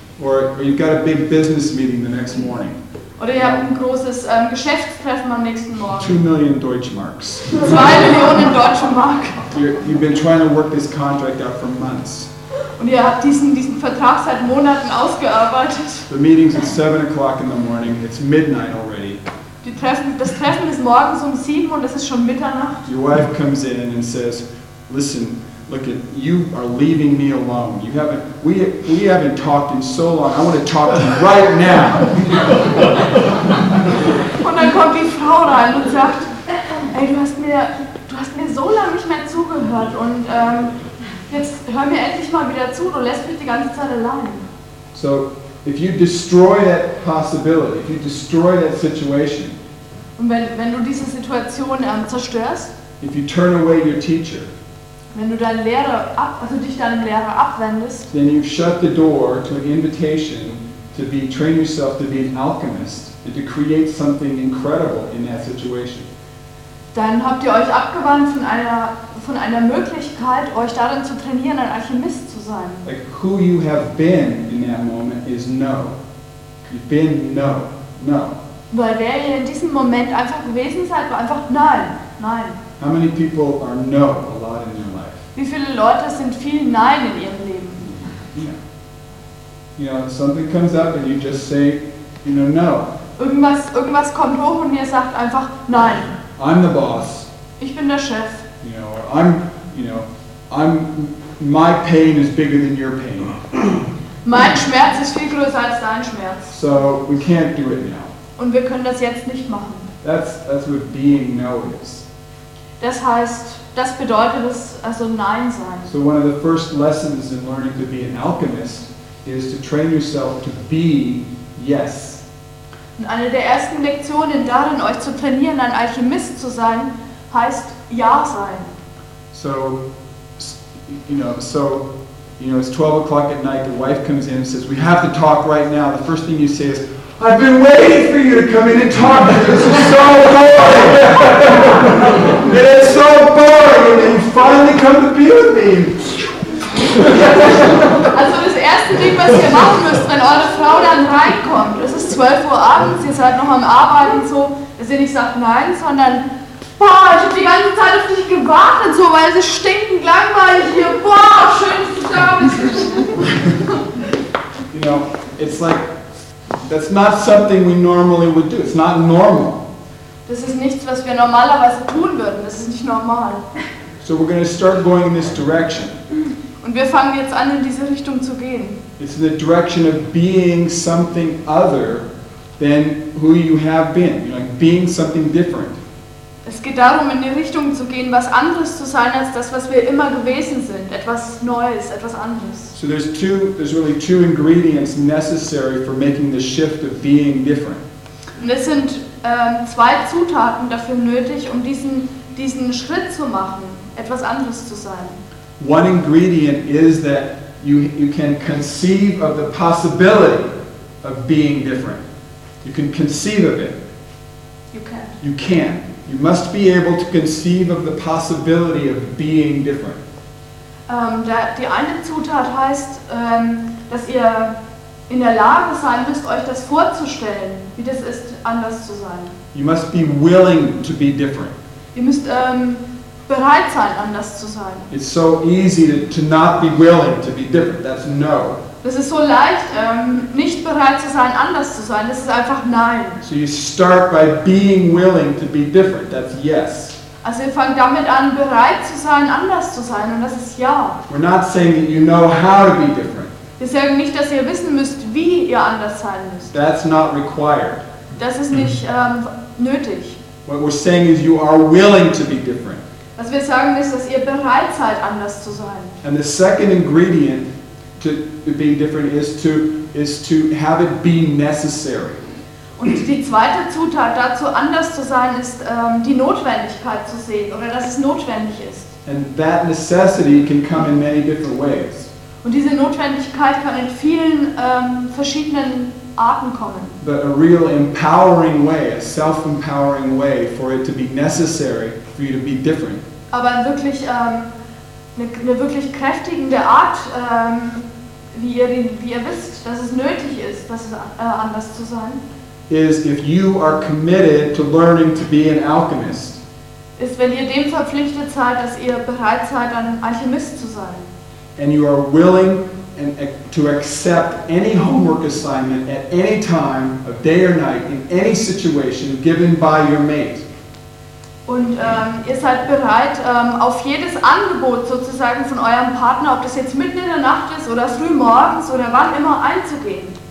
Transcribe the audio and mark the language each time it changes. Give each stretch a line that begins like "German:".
English: Or you've got a big business meeting the next morning.
German: Oder ihr habt ein großes Geschäftstreffen am nächsten Morgen.
English: 2 million Deutschmarks.
German: 2 Millionen Deutsche Mark.
English: You've been trying to work this contract out for months.
German: Und ihr habt diesen Vertrag seit Monaten ausgearbeitet.
English: The meeting's at 7 o'clock in the morning, it's midnight already.
German: Das Treffen ist morgens 7 und es ist schon Mitternacht.
English: Your wife comes in and says, "Listen, look at you are leaving me alone. You haven't we haven't talked in so long. I want to talk to you right now."
German: Und dann kommt die Frau rein und sagt, "Ey, du hast mir so lange nicht mehr zugehört und jetzt hör mir endlich mal wieder zu. Du lässt mich die ganze Zeit allein."
English: So if you destroy that possibility, if you destroy that situation,
German: und wenn du diese Situation zerstörst,
English: if you turn away your teacher,
German: wenn du deinen Lehrer dich deinem Lehrer abwendest,
English: then you shut the door to an invitation to be train yourself to be an alchemist and to create something incredible in that situation.
German: Dann habt ihr euch abgewandt von einer Möglichkeit, euch darin zu trainieren, ein Alchemist zu sein.
English: Like who you have been in that moment is no. You've been no, no.
German: Weil wer ihr in diesem Moment einfach gewesen seid, war einfach nein, nein.
English: How many people are no a lot in your life?
German: Wie viele Leute sind viel nein in ihrem Leben?
English: Yeah. You know, something comes up and you just say, you know, no.
German: Irgendwas kommt hoch und ihr sagt einfach nein.
English: I'm the boss.
German: Ich bin der Chef.
English: You know, or I'm my pain is bigger than your pain.
German: Mein Schmerz ist viel größer als dein Schmerz.
English: So we can't do it now.
German: Und wir können das jetzt nicht machen.
English: That's what being no is.
German: Das heißt, das bedeutet es, also Nein sein.
English: So one of the first lessons in learning to be an alchemist is to train yourself to be yes.
German: Und eine der ersten Lektionen darin, euch zu trainieren, ein Alchemist zu sein, heißt Ja sein.
English: So it's 12 o'clock at night, the wife comes in and says, we have to talk right now. The first thing you say is, I've been waiting for you to come in and talk to me. This is so boring. It is so boring. And then you finally come to be with me.
German: Also das erste Ding, was ihr machen müsst, wenn eure Frau dann reinkommt, es ist 12 Uhr abends, ihr seid noch am Arbeiten, so, dass ihr nicht sagt nein, sondern, boah, ich habe die ganze Zeit auf dich gewartet, so, weil es ist stinkend langweilig hier. Boah, schön, dass du da bist.
English: You know, it's like, that's not something we normally would do. It's not normal.
German: Das ist nichts, was wir normalerweise tun würden. Das ist nicht normal.
English: So we're going to start going in this direction.
German: Und wir fangen jetzt an, in diese Richtung zu gehen.
English: It's in the direction of being something other than who you have been. You know, like being something different.
German: Es geht darum, in die Richtung zu gehen, was anderes zu sein als das, was wir immer gewesen sind. Etwas Neues, etwas anderes.
English: So there's really two ingredients necessary for making the shift of being different.
German: Und es sind zwei Zutaten dafür nötig, um diesen Schritt zu machen, etwas anderes zu sein.
English: One ingredient is that you can conceive of the possibility of being different. You can conceive of it. You can. You can. You must be able to conceive of the possibility of being different.
German: Die eine Zutat heißt, dass ihr in der Lage sein müsst, euch das vorzustellen, wie das ist, anders zu sein.
English: You must be willing to be different.
German: Ihr müsst bereit sein, anders zu sein.
English: It's so easy to not be willing to be different. That's no.
German: Das ist so leicht, nicht bereit zu sein, anders zu sein. Das ist einfach nein.
English: So you start by being willing to be different. That's yes.
German: Also ihr fangt damit an, bereit zu sein, anders zu sein, und das ist ja.
English: We're not saying that you know how to be different.
German: Wir sagen nicht, dass ihr wissen müsst, wie ihr anders sein müsst.
English: That's not required.
German: Das ist nicht nötig.
English: What we're saying is you are willing to be different.
German: Was wir sagen ist, dass ihr bereit seid, anders zu sein.
English: And the second ingredient to being different is to have it be necessary.
German: Und die zweite Zutat dazu, anders zu sein, ist die Notwendigkeit zu sehen, oder dass es notwendig ist.
English: And that necessity can come in many different ways.
German: Und diese Notwendigkeit kann in vielen verschiedenen Arten kommen.
English: But a real empowering way, a self-empowering way for it to be necessary for you to be different.
German: Aber wirklich eine wirklich kräftigende Art, wie ihr wisst, dass es nötig ist, dass es anders zu sein,
English: is if you are committed to learning to be an alchemist.
German: Ist, wenn ihr dem verpflichtet seid, dass ihr bereit seid, ein Alchemist zu sein.
English: And you are willing to accept any homework assignment at any time of day or night in any situation given by your mate.
German: Und ihr seid bereit, auf jedes Angebot sozusagen von eurem Partner, ob das jetzt mitten in der Nacht ist oder früh morgens oder wann immer, einzugehen.